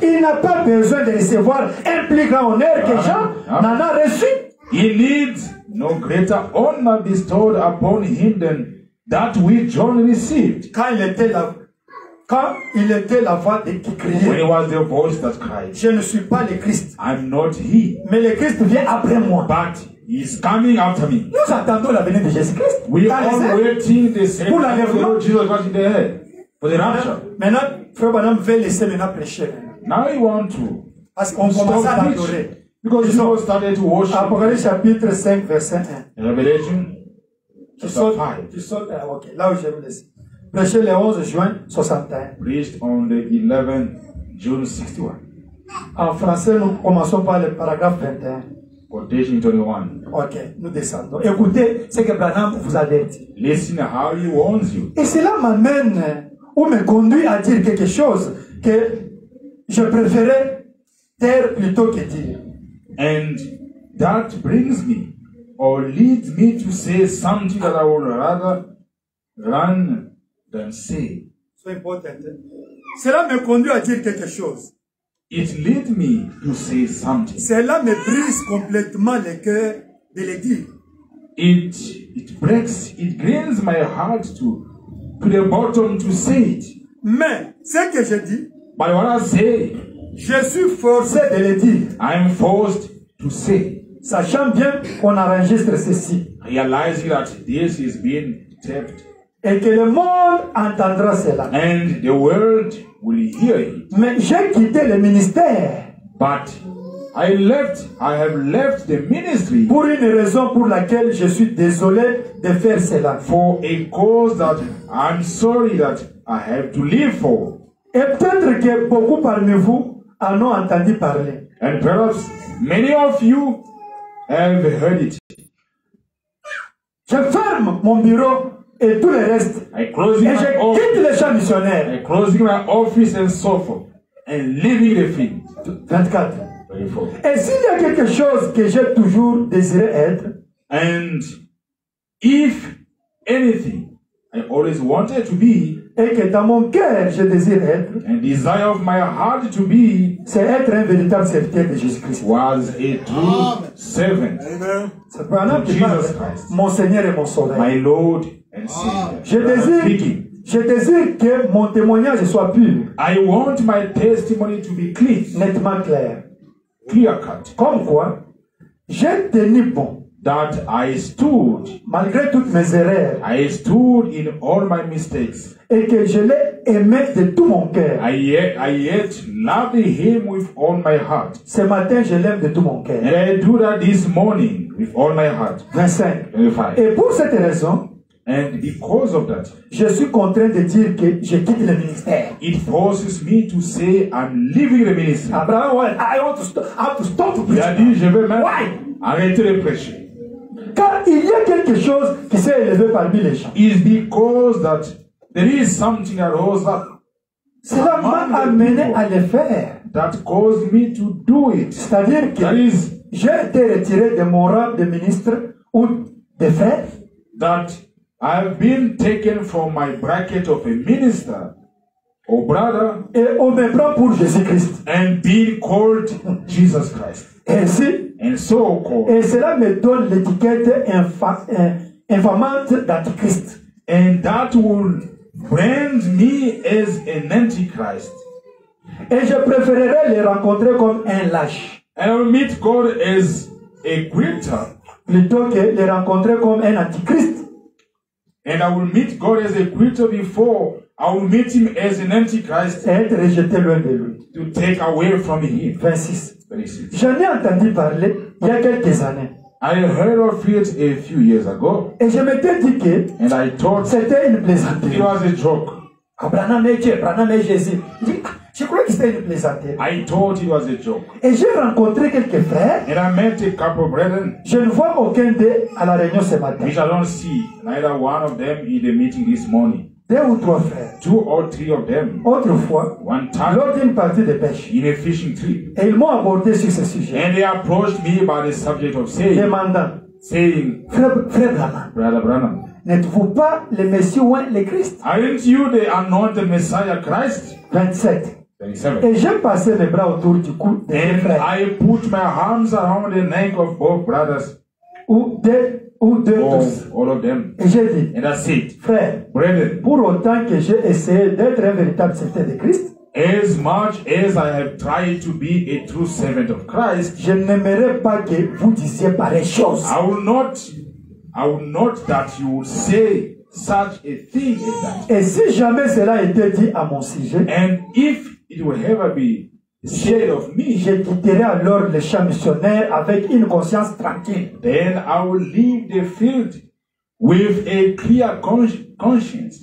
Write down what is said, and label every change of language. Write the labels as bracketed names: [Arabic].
[French] Il n'a pas besoin de recevoir un plus grand honneur que Jean n'en a reçu. [English] He needs no greater honor bestowed upon him than that which John received. [French] Quand il était là. Quand il était la voix de qui criait. [English] When was the voice that cried. [French] Je ne suis pas le Christ. [English] I'm not he. [French] Mais le Christ vient après moi. [English] But he is coming after me. [French] Nous attendons la venue de Jésus Christ. [English] We are waiting the same. [French] Pour la venue de Jésus Christ. Pour la rapture. Maintenant, Frère Branham veut laisser maintenant prêcher. [English] Now he want to. [French] Parce qu'on commence à l'adorer. [English] Because he started to worship. [French] Apocalypse chapitre 5 verset 1. [English] Revelation. [French] Tu sautes, là où je me laisse. Prêché le 11 juin 61. [English] Preached on the 11th June 61. [French] En français, nous commençons par le paragraphe 21. [English] Quotation 21. [French] Ok, nous descendons. Écoutez ce que Branham vous a dit. [English] Listen how he warns you. [French] Et cela m'amène ou me conduit à dire quelque chose que je préférais taire plutôt que dire. [English] And that brings me. Or lead me to say something that I would rather run than say. So important. [French] Cela me conduit à dire quelque chose. [English] It lead me to say something. [French] Cela me brise complètement le cœur de le dire. [English] It grinds my heart to the bottom to say it. [French] Mais ce que je dis. [English] By what I say. [French] Je suis forcé de le dire. [English] I am forced to say. [French] Sachant bien qu'on enregistre ceci. [English] Realizing that this is being taped. [French] Et que le monde entendra cela. [English] And the world will hear it. [French] Mais j'ai quitté le ministère. [English] But I have left the ministry. [French] Pour une raison pour laquelle je suis désolé de faire cela. [English] For a cause that I'm sorry that I have to leave for. [French] Et peut-être que beaucoup parmi vous en ont entendu parler. [English] And perhaps many of you have heard it. [French] Je ferme mon bureau et tout le reste. Et je quitte le champ missionnaire. [English] I'm closing my office and so forth. And leaving the field. [French] 24. [English] 24. [French] Et s'il y a quelque chose que j'ai toujours désiré être. [English] And if anything I always wanted to be. [French] Et que dans mon cœur je désire être. [English] And desire of my heart to be. [French] C'est être un véritable serviteur de Jésus Christ. [English] Was a true servant. Amen. To Jesus Christ. [French] Mon Seigneur et mon Sauveur. [English] My Lord and Savior. [French] Je désire que mon témoignage soit pur. [English] I want my testimony to be clear. [French] Nettement clair. [English] Clear cut. [French] Comme quoi, j'ai tenu bon. [English] That I stood. [French] Malgré toutes mes erreurs. [English] I stood in all my mistakes. [French] Et que je l'ai aimé de tout mon cœur. [English] I yet loved him with all my heart. [French] Ce matin, je l'aime de tout mon cœur. [English] And I do that this morning with all my heart. [French] 25. [English] 25. [French] Et pour cette raison. [English] And because of that. [French] Je suis contraint de dire que je quitte le ministère. [English] It forces me to say I'm leaving the ministry. Abraham, well, I have to stop to preach. [French] Il a dit, je vais même. [English] Why? [French] Arrêtez de prêcher. Car il y a quelque chose qui s'est élevé parmi les gens. [English] It's because that there is something that rose up. [French] Cela m'a amené à le faire. [English] That caused me to do it. [French] C'est-à-dire que j'ai été retiré de mon rang de ministre ou de frère. [English] That I have been taken from my bracket of a minister, or brother, [French] et on me prend pour Jésus-Christ, [English] and being called Jesus Christ. [French] Ainsi, [English] and so called. [French] Et cela me donne l'étiquette infamante d'Antichrist. [English] And that would brand me as an antichrist. [French] Et je préférerais les rencontrer comme un lâche. [English] I'll meet God as a quitter. [French] Plutôt que les rencontrer comme un antichrist. [English] And I will meet God as a quitter before I will meet him as an antichrist. [French] Et être rejeté loin de lui. [English] To take away from him. [French] 26. J'en ai entendu parler il y a quelques années. [English] I heard of it a few years ago. [French] Et je m'étais dit que [English] and I thought [French] c'était une plaisanterie. [English] It was a joke. [French] Branham et Jésus. Je croyais que c'était une plaisanterie. [English] I thought it was a joke. [French] Et j'ai rencontré quelques frères. [English] And I met a couple of brethren. [French] Je ne vois aucun d'eux à la réunion ce matin. [English] Which I don't see neither one of them in the meeting this morning. [French] Deux ou trois frères. [English] Two or three of them. [French] Autrefois, [English] one time, [French] lors d'une partie de pêche, [English] in a fishing trip, [French] et ils m'ont abordé sur ce sujet. [English] And they approached me about the subject of saying, [French] demandant, [English] saying, [French] Frère Branham, [English] Brother Branham, [French] n'êtes-vous pas le Messie ou le Christ? [English] Aren't you the anointed Messiah Christ? [French] 27. Et j'ai passé mes bras autour du cou de mes frères. [English] I put my arms around the neck of both brothers. All of them. [French] Et j'ai dit, [English] and I said, [French] frère, [English] brethren, [French] pour autant que j'ai essayé d'être un véritable serviteur de Christ, [English] as much as I have tried to be a true servant of Christ, [French] je n'aimerais pas que vous disiez pareille chose. [English] I will not that you will say such a thing as that. [French] Et si jamais cela était dit à mon sujet, [English] and if it will ever be said of me, [French] je quitterai alors le champ missionnaire avec une conscience tranquille. [English] Then I will leave the field with a clear conscience.